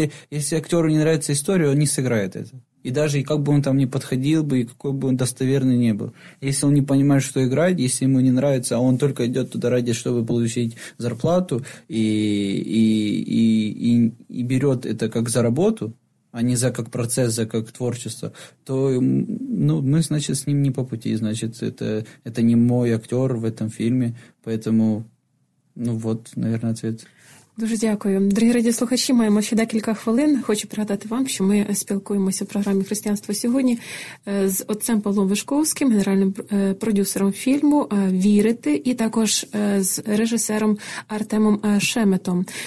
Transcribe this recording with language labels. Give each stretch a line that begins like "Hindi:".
Ukrainian: Якщо актеру не нравится історія, він не сыграє це. І даже як би він там не підходив би, і який би він достовірний не був. Якщо він не розуміє, що грати, якщо йому не нравится, а він тільки йде туди ради, щоб отримати зарплату, і бере це як за роботу, а не за как процесс, за как творчество, то ну, мы, значит, с ним не по пути.
Russian: Значит, это не мой актер в этом фильме. Поэтому, ну вот, наверное, ответ.
Ukrainian: Дуже дякую. Дорогі радіослухачі, маємо ще декілька хвилин. Хочу пригадати вам, що ми спілкуємося в програмі «Християнство сьогодні» з отцем Павлом Вишковським, генеральним продюсером фільму «Вірити», і також з режисером Артемом Шеметом.